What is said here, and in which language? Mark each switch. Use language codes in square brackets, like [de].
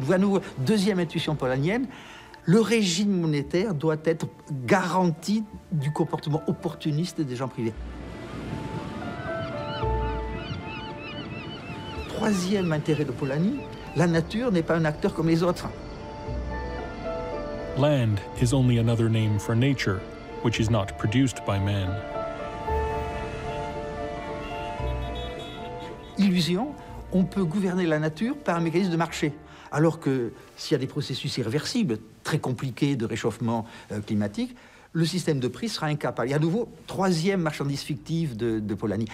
[fr] Voilà nouveau, deuxième intuition polanienne, le régime monétaire doit être garanti du comportement opportuniste des gens privés. Troisième intérêt de Polanyi, la nature n'est pas un acteur comme les autres. [en] Land is only another name for nature, which is not produced by man. [fr] Illusion, on peut gouverner la nature par un mécanisme de marché. Alors que s'il y a des processus irréversibles, très compliqués de réchauffement climatique, le système de prix sera incapable. Et à nouveau, troisième marchandise fictive de Polanyi.